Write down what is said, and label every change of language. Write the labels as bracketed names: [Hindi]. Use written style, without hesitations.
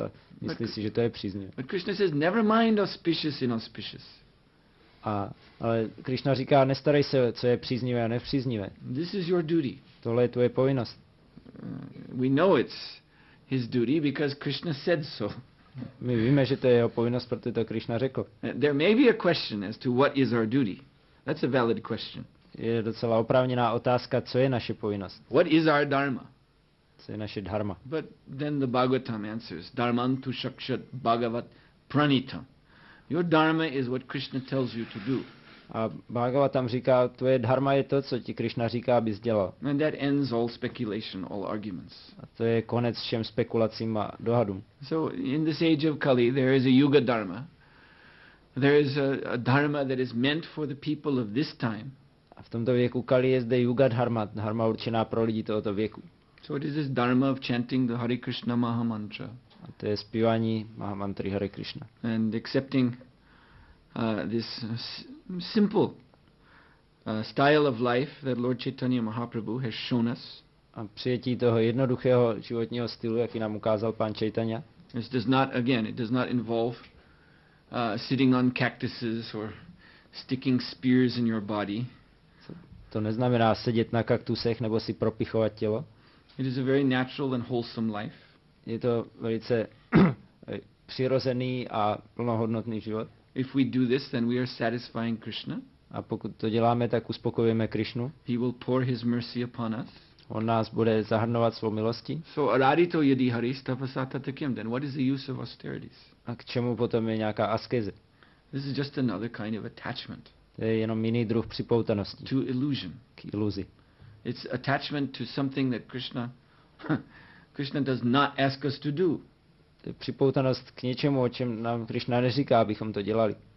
[Czech] A myslí si, že to je příznivé. [English] Krishna says, never mind auspicious, inauspicious. [Czech] Ale Krišna říká, nestarej se, co je příznivé a nepříznivé. [English] This is your duty. [Czech] Tohle je tvoje povinnost. [English] We know it's his duty because Krishna said so. [Czech] My víme, že to je jeho povinnost, protože to Krišna řekl. [English] There may be a question as to what is our duty. That's a valid question. [Czech] Je docela oprávněná otázka, co je naše povinnost. [English] What is our dharma? [Czech] Co je naše dharma? [English] But then the Bhagavatam answers, [Sanskrit] dharmantu shakshat bhagavat pranitam. [English] Your dharma is what Krishna tells you to do. [Czech] A Bhagavatam říká, tvoje dharma je to, co ti Krishna říká, abys dělal. [English] And that ends all speculation, all arguments. [Czech] A to je konec všem spekulacím a dohadům. [English] So in this age of Kali, there is a yuga dharma. There is a dharma that is meant for the people of this time. [Czech] A v tomto věku Kali je zde yuga dharma, dharma určená pro lidi tohoto věku. [English] So it is this dharma of chanting the Hare Krishna Maha Mantra. [Czech] A to je zpívání Maha Mantry Hare Krishna. [English] And accepting this simple style of life that Lord Chaitanya Mahaprabhu has shown us. [Czech] A přijetí toho jednoduchého životního stylu, jaký nám ukázal pán Chaitanya. [English] This does not, again, it does not involve sitting on cactuses or sticking spears in your body. [Czech] To neznamená sedět na kaktusech nebo si propichovat tělo. [English] It is a very natural and wholesome life. [Czech] Je to velice přirozený a plnohodnotný život. [English] If we do this, then we are satisfying Krishna. [Czech] A pokud to děláme, tak uspokojujeme Krishnu. [English] He will pour his mercy upon us. [Czech] On nás bude zahrnovat svou milostí. [English] So [Sanskrit] arādito yadi hari tapasata takyam, [English] then what is the use of austerities? [Czech] A k čemu potom je nějaká askeze? [English] This is just another kind of attachment. [Czech] To je jenom jiný druh připoutanosti. [English] To illusion. [Czech] K iluzi. [English] It's attachment to something that Krishna does not ask us to do. [Czech] To je připoutanost k něčemu, o čem nám Krishna neříká, abychom to dělali.